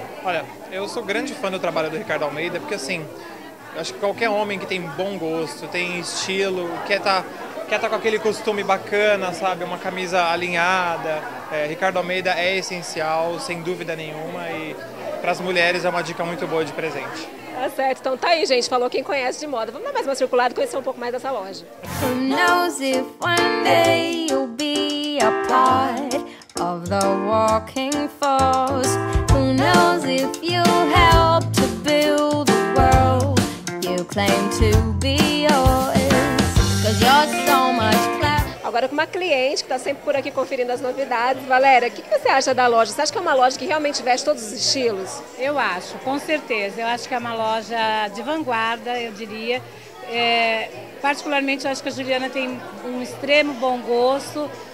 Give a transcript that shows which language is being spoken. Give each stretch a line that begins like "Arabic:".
Portuguese: Olha, eu sou grande fã do trabalho do Ricardo Almeida, porque assim, eu acho que qualquer homem que tem bom gosto, tem estilo, quer tá com aquele costume bacana, sabe? Uma camisa alinhada. É, Ricardo Almeida é essencial, sem dúvida nenhuma, e pras mulheres é uma dica muito boa de presente. Tá certo, então tá aí, gente. Falou quem conhece de moda. Vamos dar mais uma circulada e conhecer um pouco mais dessa loja.
English: Who knows if one day you'll be a part of the walking force? Who knows if you'll help to build the world you claim to be yours? 'Cause you're so much clever.
Portuguese: Agora com uma cliente que tá sempre por aqui conferindo as novidades. Valéria, o que você acha da loja? Você acha que é uma loja que realmente veste todos os estilos? Eu acho, com certeza. Eu acho que é uma loja de vanguarda, eu diria. É, particularmente, eu acho que a Juliana tem um extremo bom gosto.